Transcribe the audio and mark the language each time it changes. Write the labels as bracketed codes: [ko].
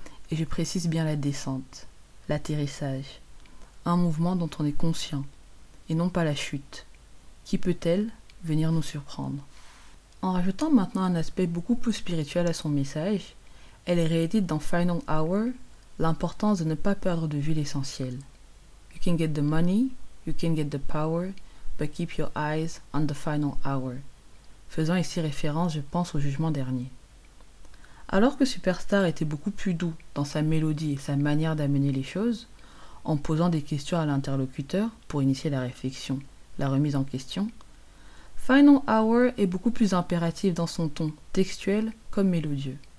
[fr] Et je précise bien la descente, l'atterrissage, un mouvement dont on est conscient, et non pas la chute. Qui peut-elle venir nous surprendre? En rajoutant maintenant un aspect beaucoup plus spirituel à son message, elle est réédite dans Final Hour l'importance de ne pas perdre de vue l'essentiel. [en] You can get the money, you can get the power, but keep your eyes on the final hour. [fr] Faisant ici référence, je pense, au jugement dernier. Alors que Superstar était beaucoup plus doux dans sa mélodie et sa manière d'amener les choses, en posant des questions à l'interlocuteur pour initier la réflexion, la remise en question, Final Hour est beaucoup plus impératif dans son ton, textuel comme mélodieux.